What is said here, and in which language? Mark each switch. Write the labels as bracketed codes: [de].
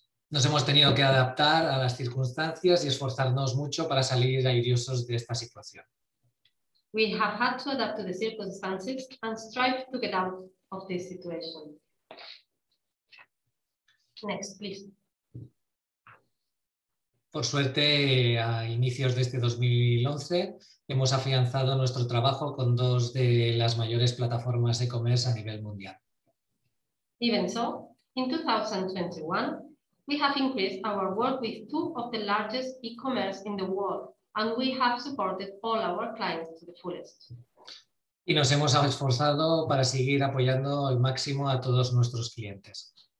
[es] Nos hemos tenido que adaptar a las circunstancias y esforzarnos mucho para salir airosos de esta situación. [en] We have had to adapt to the circumstances and strive to get out of this situation. Next, please. [es] Por suerte, a inicios de este 2011, hemos afianzado nuestro trabajo con dos de las mayores plataformas de e-commerce a nivel mundial. [en] Even so, in 2021, we have increased our work with two of the largest e-commerce in the world, and we have supported all our clients to the fullest. [es] Y nos hemos esforzado para seguir apoyando al máximo a todos nuestros clientes.